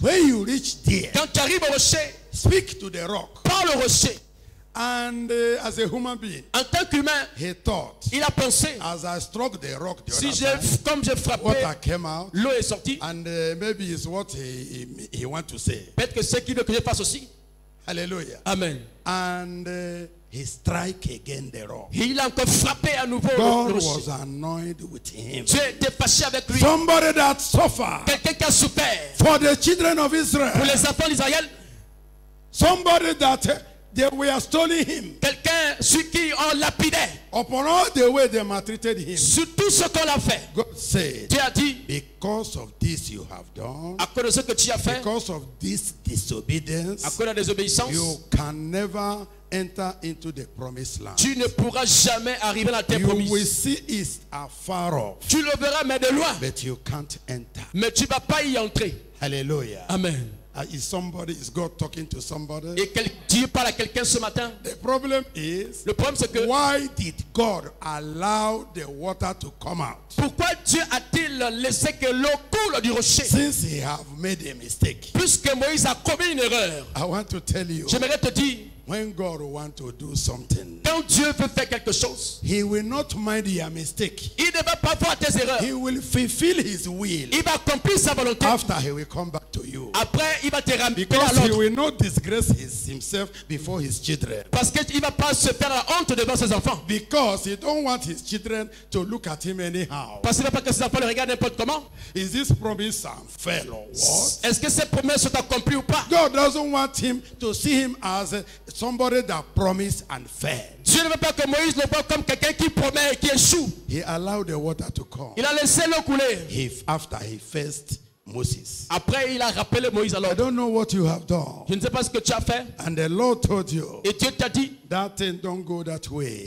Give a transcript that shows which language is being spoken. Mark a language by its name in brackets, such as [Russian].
[English] When you reach there. [French] Quand tu arrives au rocher. [English] Speak to the rock. [French] Parle au rocher. [English] And as a human being. [French] En tant qu'humain. [English] He thought. [French] Il a pensé. [English] As I struck the rock. The [French] si [English] other time, [French] comme j'ai frappé. [English] Water came out. [French] L'eau est sortie. [English] And maybe it's what he want to say. [French] Peut-être que c'est qu'il veut que je fasse aussi. [English] Hallelujah. [French] Amen. [English] And he strike again the rock. [French] Il a encore frappé à nouveau. [English] God was annoyed with him. [French] Dieu était fâché avec lui. [English] Somebody that suffered. [French] Quelqu'un qui a souffert. [English] For the children of Israel. [French] Pour les enfants d'Israël. [English] Somebody that they were stoning him. [French] Quelqu'un sur qui on lapidait. [English] Upon all the way they maltreated him. [French] Sur tout ce qu'on a fait. [English] God said. [French] Dieu a dit. [English] Because of this you have done. [French] À cause de ce que tu as fait. [English] Because of this disobedience. [French] À cause de la désobéissance. [English] You can never enter into the promised land. [French] Tu ne pourras jamais arriver à la terre promise. [English] You will see it afar off. [French] Tu le verras mais de loin. [English] But you can't enter. [French] Mais tu vas pas y entrer. [English] Hallelujah. [French] Amen. [English] Is God talking to somebody? [French] Et Dieu parle à quelqu'un ce matin? [English] The problem is. [French] Le problème c'est que. [English] Why did God allow the water to come out? [French] Pourquoi Dieu a-t-il laissé que l'eau coule du rocher? [English] Since he have made a mistake. [French] Puisque Moïse a commis une erreur. [English] I want to tell you. [French] J'aimerais te dire. [English] When God wants to do something, [French] quand Dieu veut faire quelque chose, [English] he will not mind your mistake. [French] Il ne va pas voir tes erreurs. [English] He will fulfill his will. [French] Il va accomplir sa volonté. [English] After he will come back to you. [French] Après, il va te ramener. [English] Because [French] à l'autre. [English] He will not disgrace himself before his children. [French] Parce qu'il va pas se faire la honte devant ses enfants. [English] Because he don't want his children to look at him anyhow. [French] Parce qu'il ne veut pas que ses enfants le regardent n'importe comment. [English] Is this promise unfair or what? [French] Est-ce que cette promesse est accomplie ou pas? [English] God doesn't want him to see him as somebody that promised and failed. [French] Dieu ne veut pas que Moïse le voit comme quelqu'un qui promet et qui échoue. [English] He allowed the water to come. [French] Il a laissé l'eau couler. [English] If after he faced Moses. [French] Après, il a rappelé Moïse alors. [English] I don't know what you have done. [French] Je ne sais pas ce que tu as fait. [English] And the Lord told you. [French] Et Dieu t'a dit. [English] That thing don't go that way.